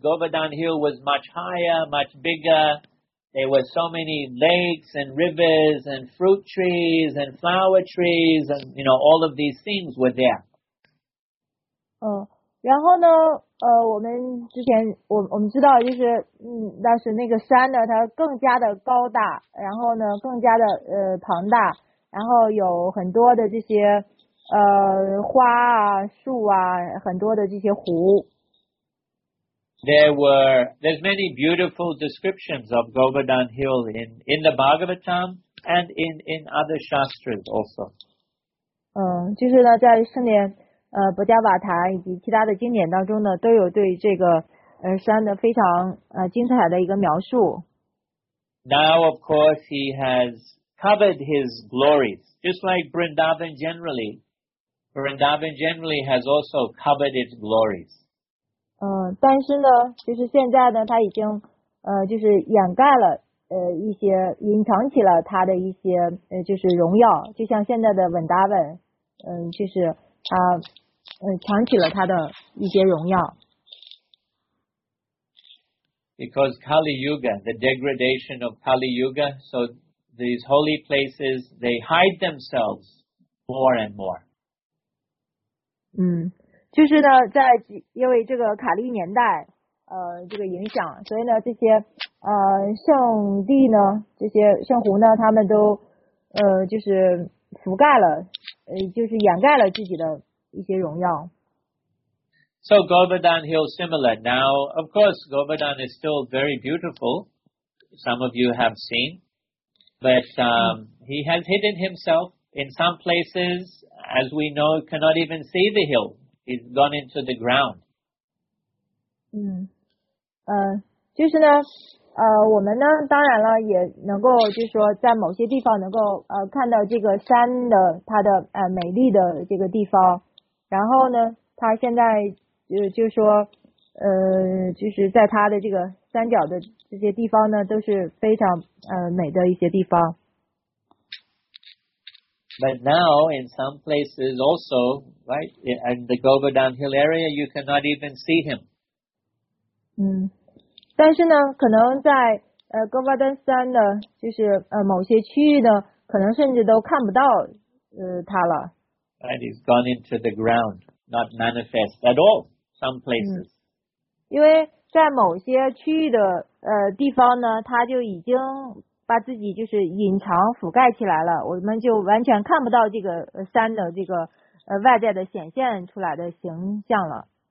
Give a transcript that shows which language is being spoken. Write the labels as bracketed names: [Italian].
[English] Govardhan Hill was much higher, much bigger. There were so many lakes and rivers and fruit trees and flower trees and, you know, all of these things were there. [Chinese] 然后呢我们之前我们知道就是但是那个山呢它更加的高大然后呢更加的庞大然后有很多的这些花啊树啊很多的这些湖。 [English] There's many beautiful descriptions of Govardhan Hill in the Bhagavatam and in other Shastras also. [Chinese] 就是呢在圣典博迦瓦塔以及其他的经典当中呢都有对这个山的非常精彩的一个描述。 [English] Now, of course, he has covered his glories. Just like Vrindavan generally. Vrindavan generally has also coveted glories. [Chinese] 但是呢就是现在呢他已经就是掩盖了一些隐藏起了他的一些就是荣耀就像现在的Vrindavan就是他藏起了他的一些荣耀。 [English] Because Kali Yuga, the degradation of Kali Yuga, so these holy places, they hide themselves more and more. [Chinese] 就是呢在因为这个卡利年代这个影响所以呢这些圣地呢这些圣湖呢他们都就是覆盖了就是掩盖了自己的一些荣耀。 [English] So Govardhan Hill similar. Now, of course, Govardhan is still very beautiful. Some of you have seen. But he has hidden himself in some places, as we know, cannot even see the hill. He's gone into the ground. [Chinese] 就是呢我们呢当然了也能够就是说在某些地方能够看到这个山的它的美丽的这个地方。然后呢它现在就是说就是在他的这个三角的这些地方呢都是非常美的一些地方。 [English] But now in some places also, right, in the Govardhan Hill area, you cannot even see him. [Chinese] 但是呢可能在Govardhan 山的就是某些区域呢可能甚至都看不到他了。 [English] Right, he's gone into the ground, not manifest at all. Some places. [Chinese] 因为在某些区域的地方呢他就已经把自己就是隐藏覆盖起来了我们就完全看不到这个山的这个外在的显现出来的形象了。